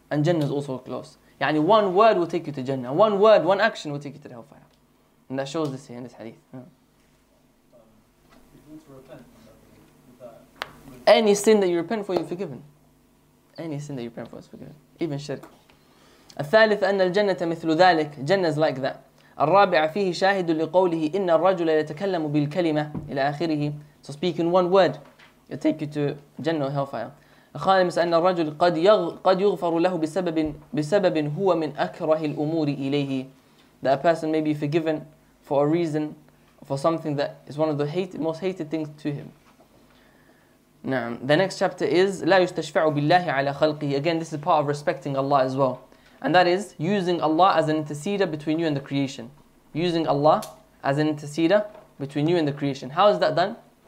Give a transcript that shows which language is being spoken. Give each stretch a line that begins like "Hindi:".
English: And Jannah is also close. Yani one word will take you to Jannah. One word, one action will take you to the hellfire. And that shows this here in this hadith. Any sin that you repent for, you're forgiven. Any sin that you repent for is forgiven. Even shirk.
Arabic: الثالث أن الجنة مثل ذلك.
English: Jannah is like that.
Arabic: الرابع فيه شاهد لقوله إن الرجل يتكلم بالكلمة إلى آخره.
English: So speaking one word, it'll take you to Jannah or hellfire.
Arabic: الخامس أن الرجل قد يغفر له بسبب هو من أكره الأمور إليه.
English: That a person may be forgiven for a reason, for something that is one of the most hated things to him. Now, the next chapter is
Arabic: لا يستشفعوا بالله على خلقه.
English: Again, this is part of respecting Allah as well. And that is using Allah as an interceder between you and the creation. Using Allah as an interceder between you and the creation. How is that done?